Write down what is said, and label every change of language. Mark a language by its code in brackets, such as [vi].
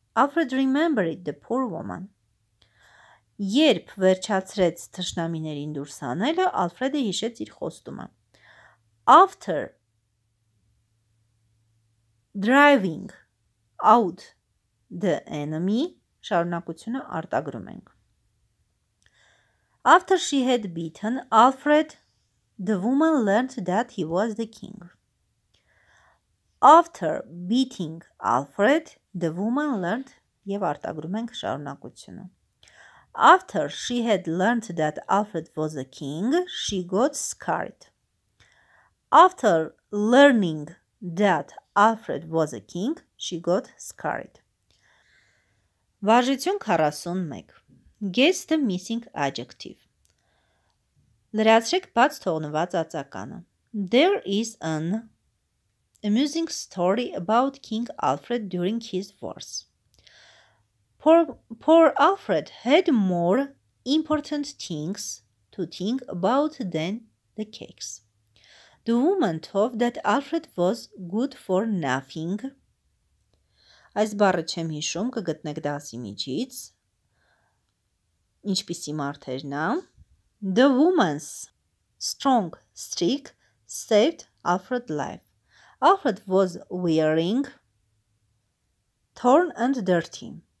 [en] Alfred remembered the poor woman. [hy] Երբ վերջացրեց թշնամիներին դուրս անելը, Alfred-ը հիշեց իր խոստումը. [en] After driving out the enemy, [hy] շարունակությունը արտագրում ենք. [en] After she had beaten Alfred, the woman learned that he was the king. After beating Alfred, the woman learned [hy] եւ արտագրում ենք շարունակությունը. [en] After she had learned that Alfred was a king, she got scared. After learning that Alfred was a king, she got scared. Վարժություն 41. Guess the missing adjective. [hy] Լրացրեք բաց թողնված ածականը. [en] There is an amusing story about King Alfred during his wars. Poor Alfred had more important things to think about than the cakes. The woman thought that Alfred was good for nothing. [hy] Այս բառը չեմ հիշում, կգտնեք դասի միջից։ Ինչպիսի մարդ էր նա։ [en] The woman's strong streak saved Alfred's life. Alfred was wearing torn and dirty.